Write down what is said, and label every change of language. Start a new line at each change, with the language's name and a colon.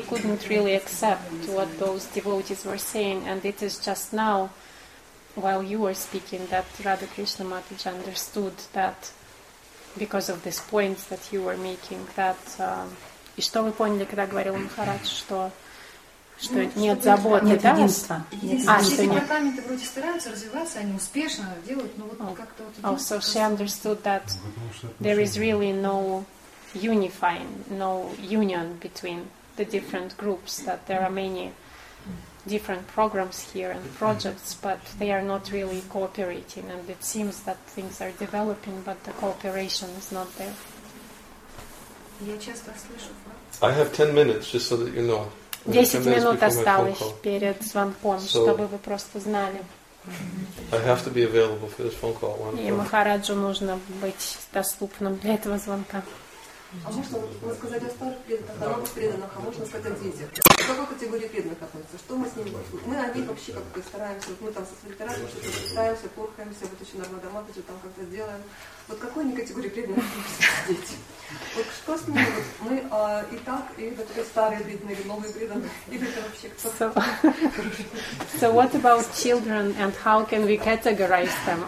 English: couldn't really accept what those devotees were saying, and it is just now, while you were speaking, that Radha Krishna Mataji understood that, because of these points that you were making, that.
Russian: И что вы поняли, когда говорил Махарадж, что нет заботы, нет единства. Все департаменты вроде стараются развиваться, они успешно делают, но вот как-то вот.
English: Oh, so she understood that there is really no unifying, no union between the different groups, that there are many different programs here and projects, but they are not really cooperating, and it seems that things are developing, but the cooperation is not there. I have 10 minutes, just so that you know.
Russian: 10 минут осталось перед звонком, so чтобы вы просто знали.
English: I have to be available for this phone call.
Russian: И Махараджу нужно быть доступным для этого звонка. А можно сказать о старых преданных, о новых преданных, а можно сказать о детях? К какой категории преданных относятся? Что мы с ними? Мы о них вообще как-то стараемся, вот мы там со свитерами что-то пытаемся, порхаемся, вот еще Нармада Матаджи там как-то сделаем. Вот какой они категории преданных относятся дети? Вот что с ними? Вот мы и так, и вот эти старые преданные, или новые преданные, или это вообще кто-то?
English: So what about children and how can we categorize them?